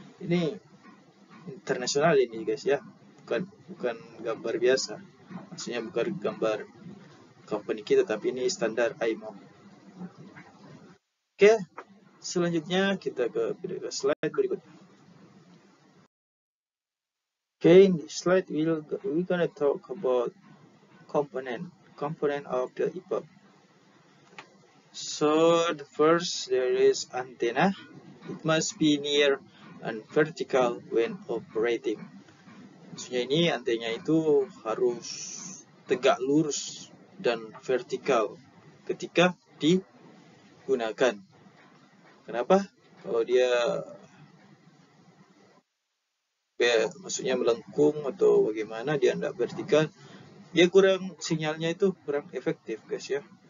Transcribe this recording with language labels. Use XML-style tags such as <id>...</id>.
<id>Ini internasional ini guys ya. Bukan bukan gambar biasa. Maksudnya bukan gambar company kita, tapi ini standar IMO. Oke, selanjutnya kita ke slide berikutnya.</id> <en>Oke, in this slide we gonna talk about component of the EPUB. So the first there is antenna. It must be near and vertical when operating.</en> <id>Maksudnya ini antenanya itu harus tegak lurus dan vertikal ketika digunakan. Kenapa? Kalau dia maksudnya melengkung atau bagaimana, dia tidak vertikal, dia kurang sinyalnya itu kurang efektif guys ya.</id>